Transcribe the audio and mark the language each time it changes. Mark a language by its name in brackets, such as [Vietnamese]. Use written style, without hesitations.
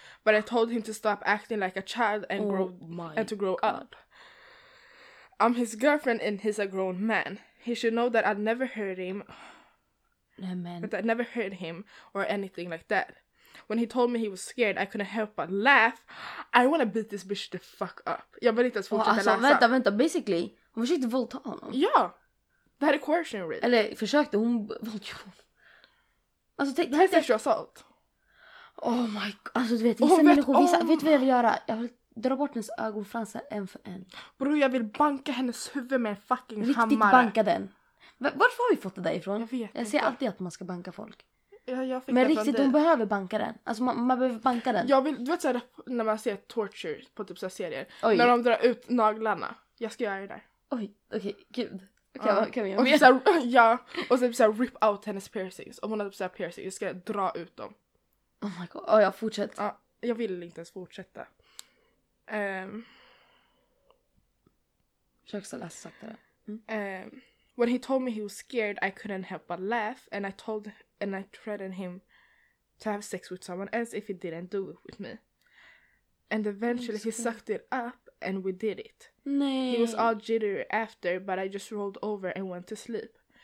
[English] But I told him to stop acting like a child and to grow up. I'm his girlfriend and he's a grown man. He should know that I'd never hurt him. Amen. But I never hurt him or anything like that. When he told me he was scared, I couldn't help but laugh. I want to beat this bitch the fuck up. [Swedish] Jag vill inte ens fortsätta läsa. Vänta, vänta. Basically, hon försökte våldta honom. Ja. Det här är [English] coercion, really. [Swedish] Eller försökte hon våldta honom. Alltså, det här är [English] sexual assault. Oh my god. [Swedish] Alltså, du vet. Vet du vad jag vill göra? Jag vill dra bort hennes ögonfransar en för en. Bro, jag vill banka hennes huvud med en fucking riktigt hammare. Riktigt banka den. Varför har vi fått det där ifrån? Jag ser alltid att man ska banka folk. Jag fick men riktigt, hon behöver banka den. Alltså man behöver banka den. Jag vill, du vet såhär, när man ser torture på typ såhär serier. Oj. När de drar ut naglarna. Jag ska göra det där. Oj, okej, okay, gud. Okay, kan vi göra och såhär, ja, och så såhär [English] rip out [Swedish] hennes piercings. Om hon har typ såhär piercings, jag ska dra ut dem. [English] Oh my god, oh, [Swedish] jag fortsätter. Ja, jag vill inte ens fortsätta. Försöka så läsa sakta det. [English] When he told me he was scared, I couldn't help but laugh. And I threatened him to have sex with someone else if he didn't do it with me. And eventually he sucked it up and we did it. [Swedish] Nej. [English] He was all jittery after, but I just rolled over and went to sleep.